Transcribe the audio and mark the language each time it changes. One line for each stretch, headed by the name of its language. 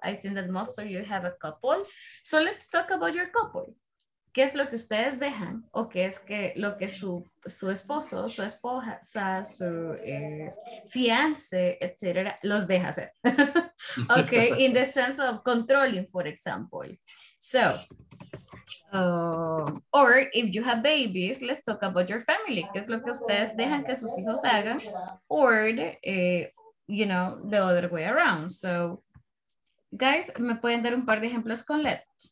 English: I think that most of you have a couple. So let's talk about your couple.
Spanish: ¿Qué es lo que ustedes dejan? ¿O qué es que lo que su esposo, su esposa, su fiance, etcétera, los deja hacer?
English: Okay, in the sense of controlling, for example. So, or if you have babies, let's talk about your family.
Spanish: ¿Qué es lo que ustedes dejan que sus hijos hagan?
English: Or, you know, the other way around. So, guys,
Spanish: ¿me pueden dar un par de ejemplos con let?